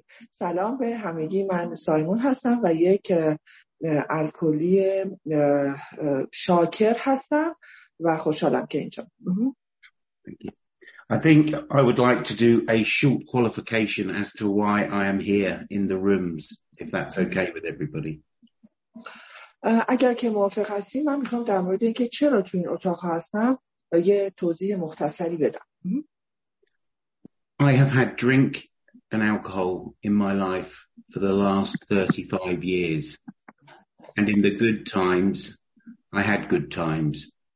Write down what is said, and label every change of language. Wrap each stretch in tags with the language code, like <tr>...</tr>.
<fa>سلام به همگی، من سایمون هستم و یک الکلی شاکر هستم و خوشحالم که اینجا.</fa> <en>I think I would like to do a short qualification as to why I am here in the rooms, if that's okay with everybody.</en> <fa>اگر که موافق هستی من میخوام در مورد اینکه چرا تو این اتاق هستم یه توضیح مختصری بدم.</fa> <en>I have had drink and alcohol in my life for the last 35 years. And in the good times, I had good times.</en>